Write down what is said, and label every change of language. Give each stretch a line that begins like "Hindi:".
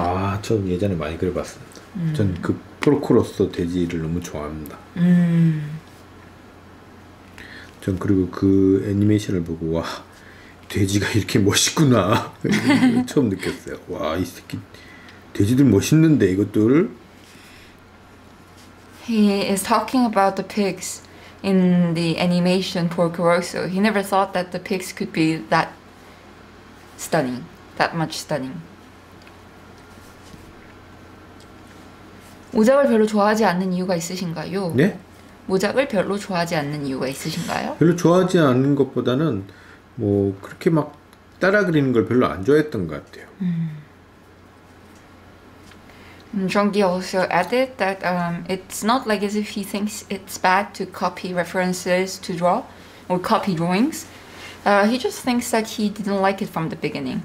Korean: 아 저 예전에 많이 그려봤습니다. 전 그 포르코로서 돼지를 너무 좋아합니다. 전 그리고 그 애니메이션을 보고 와 돼지가 이렇게 멋있구나 처음 느꼈어요. 와 이 새끼 돼지들 멋있는데 이것들.
English: He is talking about the pigs in the animation Porcoroso. He never thought that the pigs could be that stunning, that much stunning.
Korean: 모작을 별로 좋아하지 않는 이유가 있으신가요? 네? 모작을 별로 좋아하지 않는 이유가 있으신가요? 별로 좋아하지 않는 것보다는 뭐 그렇게 막 따라 그리는 걸 별로 안 좋아했던 것 같아요.
English: Jeongi also added that it's not like as if he thinks it's bad to copy references to draw or copy drawings. He just thinks that he didn't like it from the beginning.